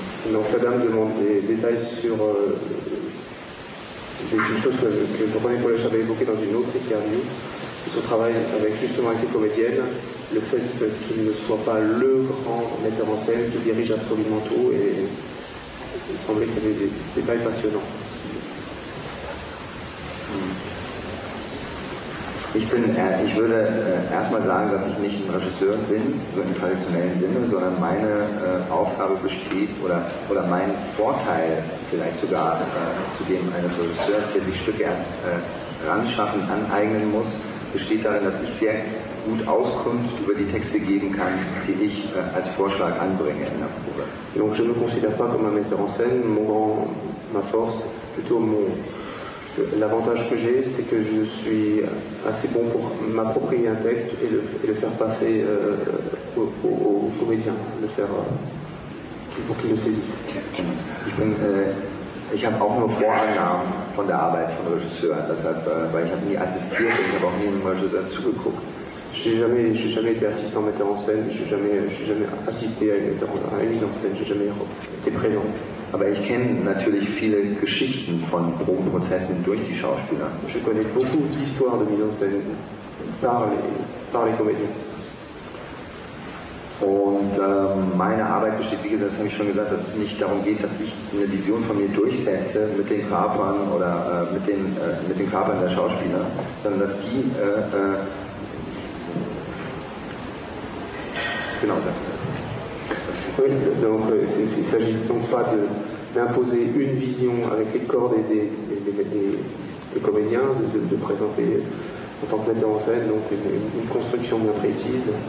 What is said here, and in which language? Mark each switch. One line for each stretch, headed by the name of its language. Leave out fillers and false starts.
French: Donc, Madame demande des Details sur des choses que René Collège avait évoquées dans une autre interview, son travail avec justement avec les comédiennes, le fait qu'il ne soit pas le grand metteur en scène qui dirige absolument tout, et il semblait qu'il y avait des détails passionnants.
German: Ich würde erstmal sagen, dass ich nicht ein Regisseur bin, so im traditionellen Sinne, sondern meine Aufgabe besteht oder mein Vorteil vielleicht sogar zu dem eines Regisseurs, der sich Stücke erst ranschaffen, aneignen muss, besteht darin, dass ich sehr gut Auskunft über die Texte geben kann, die ich als Vorschlag anbringe in der Probe.
French: Donc je ne considère pas comme un metteur en scène, ma force, plutôt mon. L'avantage que j'ai, c'est que je suis assez bon pour m'approprier un texte et le faire passer aux comédiens, le faire pour qu'ils le saisissent.
German: Ich habe auch nur Vorannahmen von der Arbeit von Regisseuren, deshalb, weil ich habe nie assistiert und ich habe auch nie einem Regisseur zugeguckt.
French: Je j'ai jamais été assistant metteur en scène, j'ai jamais assisté à une mise en scène, j'ai jamais été présent.
German: Aber ich kenne natürlich viele Geschichten von Probenprozessen durch die Schauspieler.
French: Je connais beaucoup d'histoires de mise en scène par les comédiens.
German: Und meine Arbeit besteht, wie gesagt, das habe ich schon gesagt, dass es nicht darum geht, dass ich eine Vision von mir durchsetze mit den Körpern oder mit den Körpern der Schauspieler, sondern dass die genau das.
French: Oui, donc il ne s'agit donc pas d'imposer une vision avec les corps des comédiens, de présenter en tant que metteur en scène donc une construction bien précise.